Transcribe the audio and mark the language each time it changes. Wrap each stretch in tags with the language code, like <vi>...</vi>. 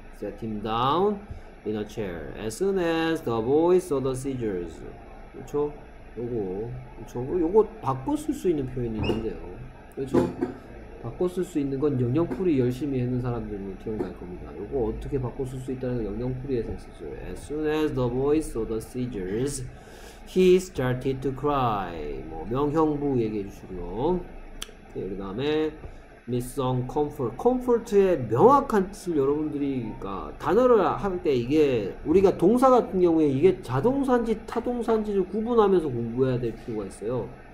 <en>set him down in a chair as soon as the boy saw the scissors</en> <ko>그쵸? 요거 그쵸? 요거 바꿔 쓸 수 있는 표현이 있는데요 그쵸? 바꿔 쓸 수 있는 건 영영풀이 열심히 했는 사람들은 기억날 겁니다. 이거 어떻게 바꿔 쓸 수 있다는 건 영영풀이에서 했었죠.</ko> <en>As soon as the boy saw the scissors, he started to cry.</en> <ko>뭐 명형부 얘기해 주시고요. 네, 그 다음에 Miss Song Comfort. Comfort의 명확한 뜻을 여러분들이 그러니까 단어를 할 때 이게 우리가 동사 같은 경우에 이게 자동사인지 타동사인지를 구분하면서 공부해야 될 필요가 있어요.</ko>